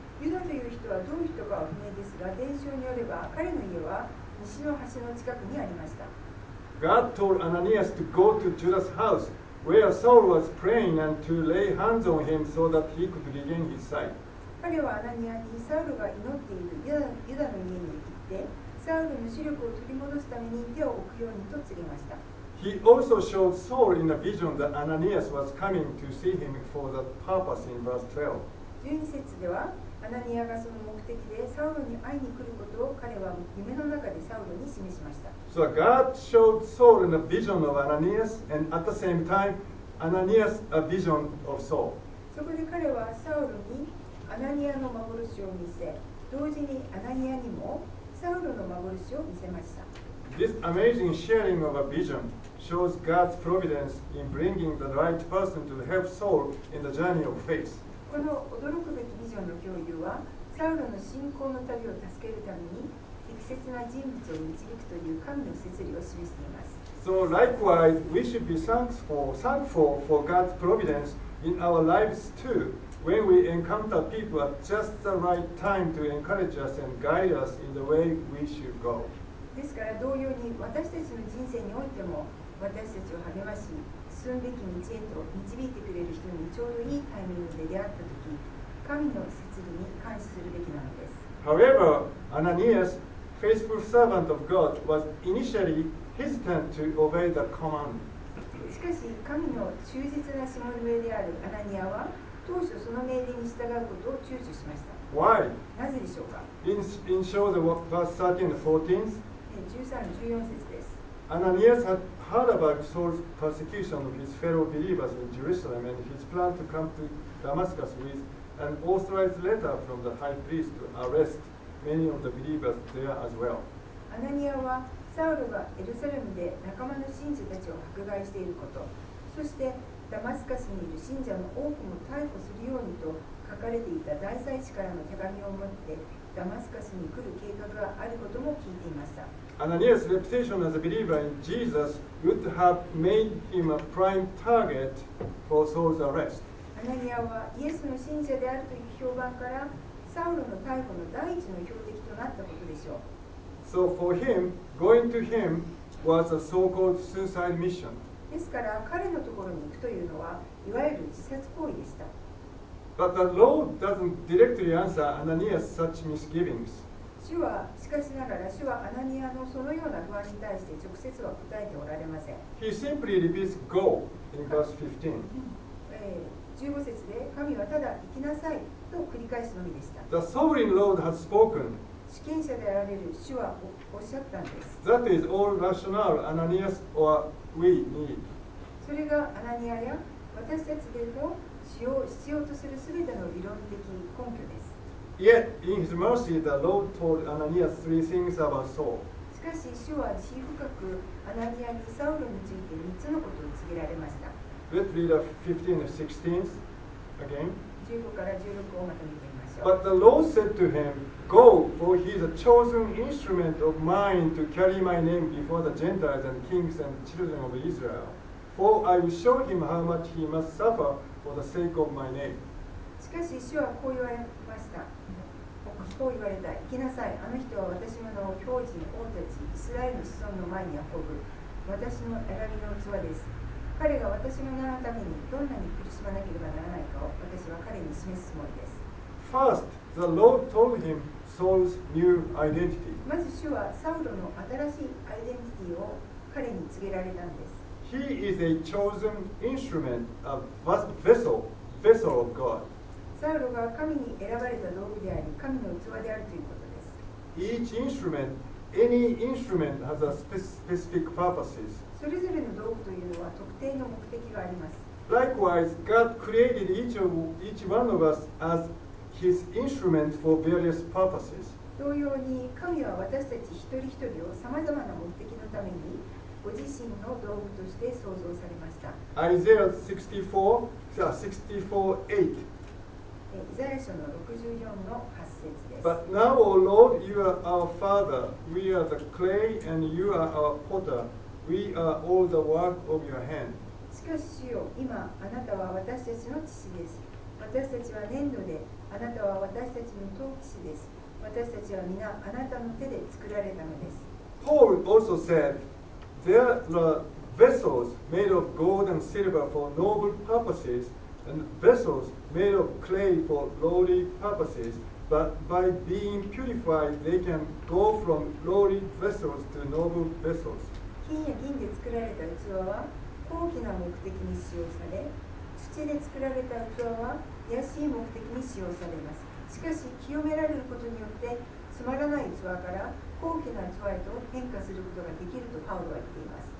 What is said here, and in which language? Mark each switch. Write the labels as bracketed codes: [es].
[ja] ユダという人はどういう人かは不明ですが、伝承によれば彼の家は西の橋の近くにありました。 [en] God told Ananias to go to Judas house, where Saul was praying, and to lay hands on him so that he could regain his sight. [ja] 彼はアナニアにサウルが祈っているユダの家に行って、サウルの視力を取り戻すために手を置くようにと告げました。 [en] He also showed Saul in a vision that Ananias was coming to see him for that purpose in verse 12. [ja] 12節では、アナニアがその目的でサウロに会いに来ることを彼は夢の中でサウロに示しました。 [en] So God showed Saul in a vision of Ananias, and at the same time, Ananias a vision of Saul. [ja] そこで彼はサウロにアナニアの幻を見せ、同時にアナニアにもサウロの幻を見せました。 [en] This amazing sharing of a vision shows God's providence in bringing the right person to help Saul in the journey of faith. [ja] この驚くべきビジョンの共有は、サウロの信仰の旅を助けるために適切な人物を導くという神の摂理を示しています。 [en] So likewise, we should be thankful for God's providence in our lives too, when we encounter people at just the right time to encourage us and guide us in the way we should go. [ja] ですから同様に私たちの人生においても、私たちを励まし、進むべき道へと導いてくれる人にちょうどいいタイミングで出会ったとき、神の摂理に感謝するべきなのです。 [en] However, Ananias, faithful servant of God, was initially hesitant to obey the command. [ja] しかし、神の忠実なしもべであるアナニアは、当初その命令に従うことを躊躇しました。 [en] Why? [ja] なぜでしょうか? [en] In short, verse 13 and [ja] 14, 13、14節です。 [en] Ananias had heard about Saul's persecution of his fellow believers in Jerusalem and his plan to come to Damascus with an authorized letter from the high priest to arrest many of the believers there as well. [ja] アナニアはサウルがエルサレムで仲間の信者たちを迫害していること、そしてダマスカスにいる信者の多くも逮捕するようにと書かれていた大祭司からの手紙を持ってダマスカスに来る計画があることも聞いていました。 [en] Ananias' reputation as a believer in Jesus would have made him a prime target for Saul's arrest. Ananias was Jesus' disciple, and from his reputation, Saul was the first target for Saul's arrest. So for him, going to him was a so-called suicide mission. Therefore, going to his place was considered a suicide mission. But the Lord doesn't directly answer Ananias' such misgivings. [ja] 主はしかしながら主はアナニアのそのような不安に対して直接は答えておられません。 [en] He simply repeats go in verse [ja] 15. 15節で神はただ行きなさいと繰り返すのみでした。 [en] The sovereign Lord has spoken. [ja] 主権者であられる主はおっしゃったんです。 [en] That is all rationale Ananias or we need. [ja] それがアナニアや私たちでも必要とするすべての理論的根拠です。 [en] Yet in his mercy, the Lord told Ananias three things about Saul. [ja] しかし、主は地深くアナニアにサウルについて3つのことを告げられました。 [en] Let's read 15 and 16 again. [ja] 15から16をまた見てみましょう。 [en] But the Lord said to him, Go, for he is a chosen instrument of mine to carry my name before the Gentiles and kings and children of Israel. For I will show him how much he must suffer for the sake of my name. [ja] しかし主はこう言われました。こう言われた。行きなさい。あの人は私の名を教人、王たち、イスラエルの子孫の前に運ぶ。私の選びの器です。彼が私の名のためにどんなに苦しまなければならないかを私は彼に示すつもりです。 [en] First, the Lord told him Saul's new identity. [ja] まず主はサウロの新しいアイデンティティを彼に告げられたんです。 [en] He is a chosen instrument, a vessel of God. [ja] サウロが神に選ばれた道具であり、神の器であるということです。 [en] Each instrument, any instrument has a specific purposes. [ja] それぞれの道具というのは特定の目的があります。 [en] Likewise, God created each one of us as His instrument for various purposes. [ja] 同様に、神は私たち一人一人をさまざまな目的のためにご自身の道具として創造されました。 [en] Isaiah 64:8. [ja] イザヤ書の64の8節です。 [en] But now, O Lord, you are our Father. We are the clay, and you are our potter. We are all the work of your hand. [ja] しかし主よ、今あなたは私たちの父です。私たちは粘土で、あなたは私たちの陶器師です。私たちは皆あなたの手で作られたのです。 [en] Paul also said, There are vessels made of gold and silver for noble purposes. And vessels made of clay for lowly purposes, but by being purified, they can go from lowly vessels to noble vessels. [ja] 金や銀で作られた器は高貴な目的に使用され、土で作られた器は卑しい目的に使用されます。しかし、清められることによって、つまらない器から高貴な器へと変化することができるとパウロは言っています。